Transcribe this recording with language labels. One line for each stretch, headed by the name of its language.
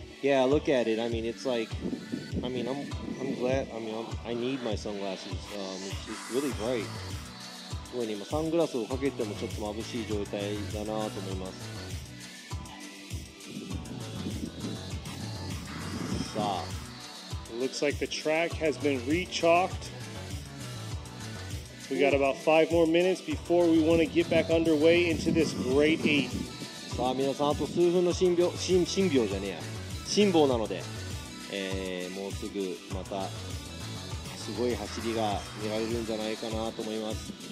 English: Yeah, look at it. I mean, it's like, I mean, I'm glad. I mean, I need my sunglasses. It's really bright.
Japanese: すごいね、今サングラスをかけてもちょっと眩しい状態だなと思います。さあ、
English: It looks like the track has been re-chalked. We got about five more minutes before we want to get back underway into this great eight.
Japanese: さあ皆さん、あと数分の辛抱じゃねえや、辛抱なので、もうすぐまたすごい走りが見られるんじゃないかなと思います。